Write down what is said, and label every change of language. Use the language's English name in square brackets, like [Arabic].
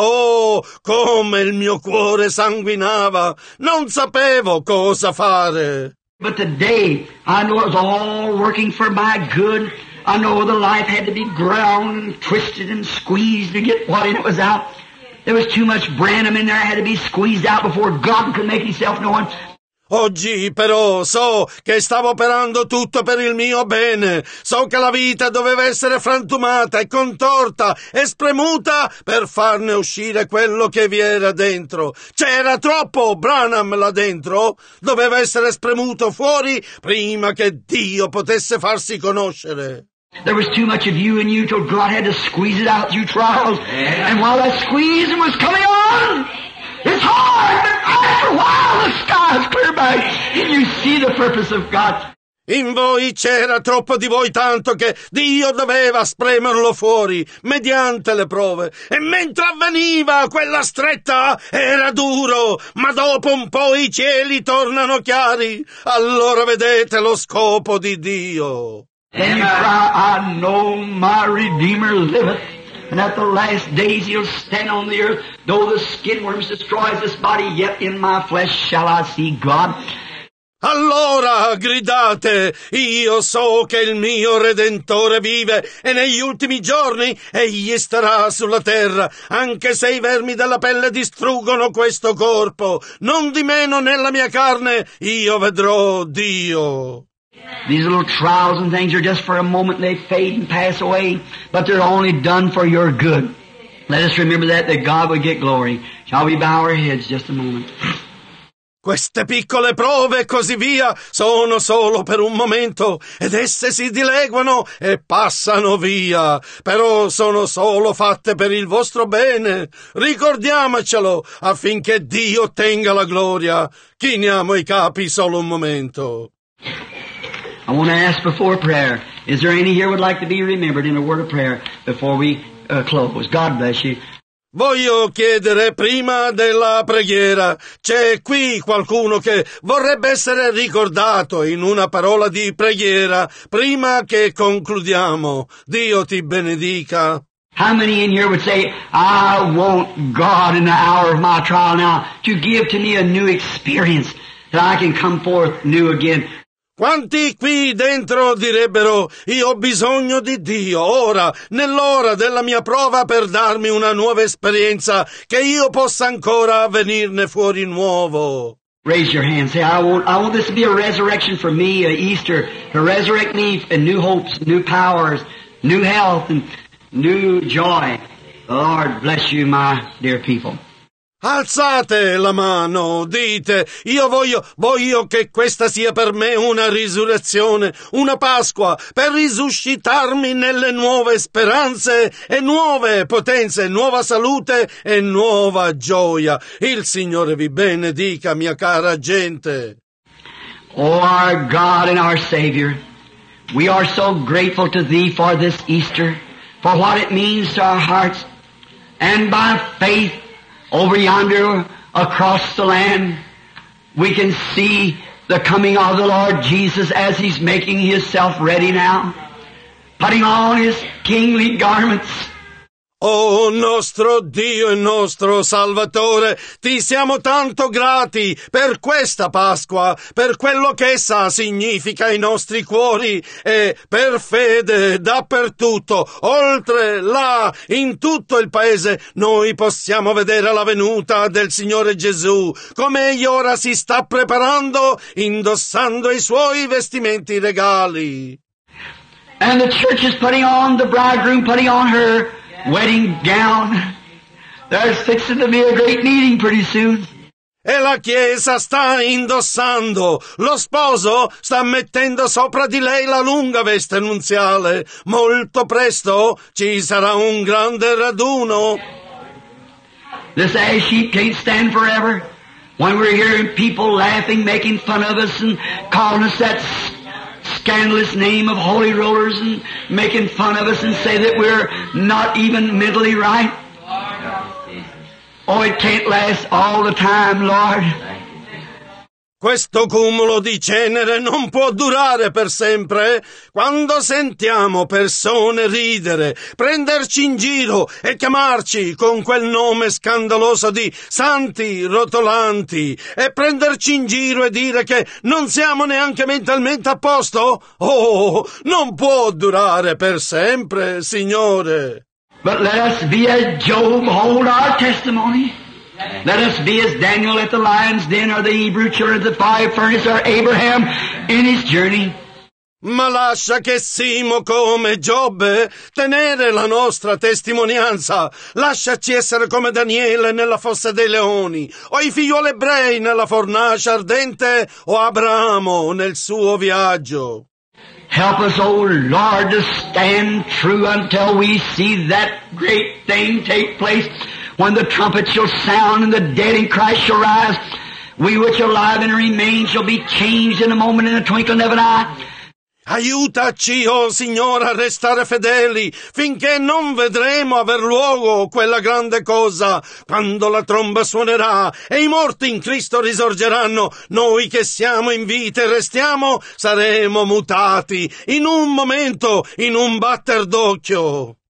[Italian] Oh, come il mio cuore sanguinava. Non sapevo cosa fare. [English] But today, I know it was all working for my good. I know the life had to be ground, twisted and squeezed to get what in it was out. There was too much Branham in there, I had to be squeezed out before God could make himself known. [Italian] Oggi però so che stavo operando tutto per il mio bene. So che la vita doveva essere frantumata e contorta e spremuta per farne uscire quello che vi era dentro. C'era troppo Branham là dentro. Doveva essere spremuto fuori prima che Dio potesse farsi conoscere. [English] There was too much of you in you till God had to squeeze it out through trials. Yeah. And while that squeezing was coming on, it's hard, but after a while the sky's clear by and you see the purpose of God. [Italian] In voi c'era troppo di voi, tanto che Dio doveva spremerlo fuori mediante le prove. E mentre avveniva quella stretta era duro, ma dopo un po' i cieli tornano chiari. Allora vedete lo scopo di Dio. [English] And I know my Redeemer liveth. And at the last days he'll stand on the earth. Though the skin worms destroys this body, yet in my flesh shall I see God. [Italian] Allora gridate, io so che il mio Redentore vive e negli ultimi giorni egli starà sulla terra, anche se i vermi della pelle distruggono questo corpo. Non di meno nella mia carne io vedrò Dio. [English] These little trials and things are just for a moment, they fade and pass away, but they're only done for your good. Let us remember that God will get glory. Shall we bow our heads just a moment? [Italian] Queste piccole prove e così via sono solo per un momento ed esse si dileguano e passano via, però sono solo fatte per il vostro bene. Ricordiamocelo affinché Dio ottenga la gloria. Chiniamo i capi solo un momento. [English] I want to ask before prayer, is there any here would like to be remembered in a word of prayer before we close? God bless you. [Italian] Voglio chiedere prima della preghiera, c'è qui qualcuno che vorrebbe essere ricordato in una parola di preghiera prima che concludiamo. Dio ti benedica. [English] How many in here would say, I want God in the hour of my trial now to give to me a new experience that I can come forth new again? [Italian] Quanti qui dentro direbbero, io ho bisogno di Dio ora, nell'ora della mia prova per darmi una nuova esperienza, che io possa ancora venirne fuori nuovo. [English] Raise your hand, say, I want this to be a resurrection for me, a Easter, to resurrect me in new hopes, new powers, new health, and new joy. Lord, bless you, my dear people. [Italian] Alzate la mano, dite, io voglio che questa sia per me una risurrezione, una Pasqua, per risuscitarmi nelle nuove speranze e nuove potenze, nuova salute e nuova gioia. Il Signore vi benedica, mia cara gente. [English] Oh, our God and our Savior, we are so grateful to Thee for this Easter, for what it means to our hearts, and by faith, over yonder, across the land, we can see the coming of the Lord Jesus as He's making Himself ready now, putting on His kingly garments. [Italian] Oh, nostro Dio e nostro Salvatore, ti siamo tanto grati per questa Pasqua, per quello che essa significa ai nostri cuori e per fede dappertutto, oltre là, in tutto il paese, noi possiamo vedere la venuta del Signore Gesù, come Egli ora si sta preparando, indossando i Suoi vestimenti regali. [English] And the church is putting on the bridegroom, putting on her wedding gown. There's fixing to be a great meeting pretty soon. [Italian] E la chiesa sta indossando, lo sposo sta mettendo sopra di lei la lunga veste nuziale. Molto presto ci sarà un grande raduno. [English] This ass sheep can't stand forever. When we're hearing people laughing, making fun of us and calling us that scandalous name of holy rollers and making fun of us and say that we're not even mentally right. Oh, it can't last all the time, Lord. [Italian] Questo cumulo di cenere non può durare per sempre. Quando sentiamo persone ridere, prenderci in giro e chiamarci con quel nome scandaloso di santi rotolanti e prenderci in giro e dire che non siamo neanche mentalmente a posto, oh, non può durare per sempre, Signore. [English] But let us be as Job, hold our testimony. Let us be as Daniel at the lion's den, or the Hebrew children at the fire furnace, or Abraham in his journey. [Italian] Ma lascia che siamo come Giobbe, tenere la nostra testimonianza. Lasciaci essere come Daniele nella fossa dei leoni, o i figlioli ebrei nella fornace ardente, o Abramo nel suo viaggio. [English] Help us, O Lord, to stand true until we see that great thing take place. When the trumpet shall sound and the dead in Christ shall rise, we which are alive and remain shall be changed in a moment, in a twinkling of an eye. [Italian] Aiutaci, oh Signore, a restare fedeli, finché non vedremo aver luogo quella grande cosa. Quando la tromba suonerà e i morti in Cristo risorgeranno, noi che siamo in vita e restiamo, saremo mutati in un momento, in un batter d'occhio.